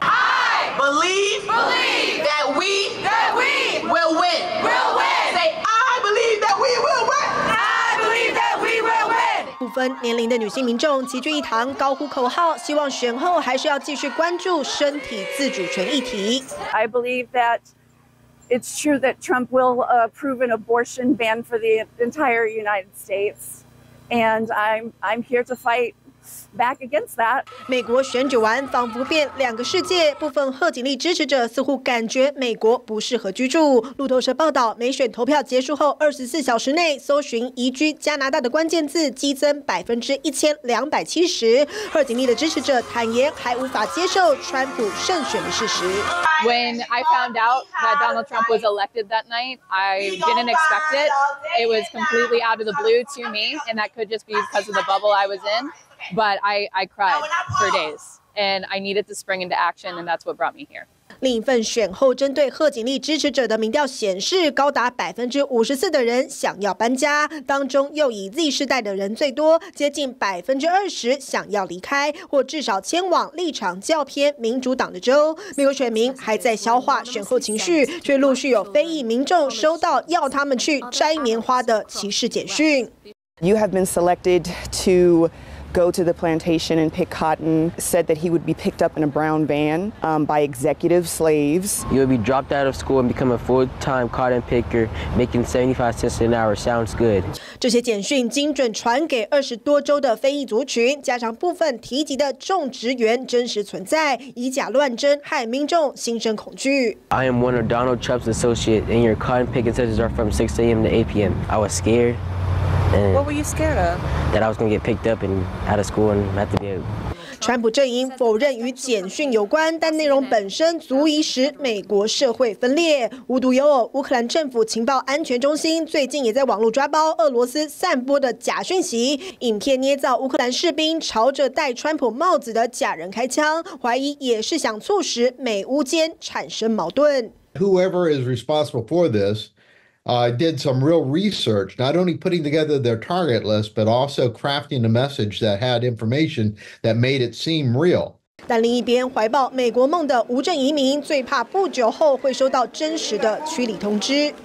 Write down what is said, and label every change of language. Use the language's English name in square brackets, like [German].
[English] I believe that we will win. Say, I believe that we will win. I believe that we will win. [Chinese] 不分年龄的女性民众齐聚一堂高呼口号，希望选后还是要继续关注身体自主权议题。 [English] I believe thatIt's true that Trump will approve an abortion ban for the entire United States. And I'm here to fight back against that. [Chinese] 美国选举完仿佛变两个世界，部分贺锦丽支持者似乎感觉美国不适合居住。路透社报道，美选投票结束后24小时内搜寻移居加拿大的关键字激增1270%。贺锦丽的支持者坦言还无法接受川普胜选的事实。 [English] When I found out that Donald Trump was elected that night, I didn't expect it. It was completely out of the blue to me, and that could just be because of the bubble I was in. But I cried for days, and I needed to spring into action, and that's what brought me here. [Chinese] 另一份选后针对贺锦丽支持者的民调显示，高达54%的人想要搬家，当中又以 Z 世代的人最多，接近20%想要离开或至少迁往立场较偏民主党的州。美国选民还在消化选后情绪，却陆续有非裔民众收到要他们去摘棉花的歧视简讯。 [English] You have been selected to go to the plantation and pick cotton, said that he would be picked up in a brown van by executive slaves. You would be dropped out of school and become a full-time cotton picker, making 75 cents an hour. Sounds good. [Chinese] 这些简讯精准传给20多州的非裔族群，加上部分提及的种植园真实存在，以假乱真，害民众心生恐惧。 [English] I am one of Donald Trump's associates, and your cotton picking sessions are from 6 a.m. to 8 p.m. I was scared. What were you scared of? That I was going to get picked up and out of school and have to be out. [Chinese] 川普阵营否认与简讯有关，但内容本身足以使美国社会分裂。无独有偶，乌克兰政府情报安全中心最近也在网络抓包俄罗斯散播的假讯息，影片捏造乌克兰士兵朝着戴川普帽子的假人开枪，怀疑也是想促使美乌间产生矛盾。 [English] Whoever is responsible for this. Did some real research, not only putting together their target list, but also crafting a message that had information that made it seem real. [Chinese] 但另一边，怀抱美国梦的无证移民最怕不久后会收到真实的驱离通知。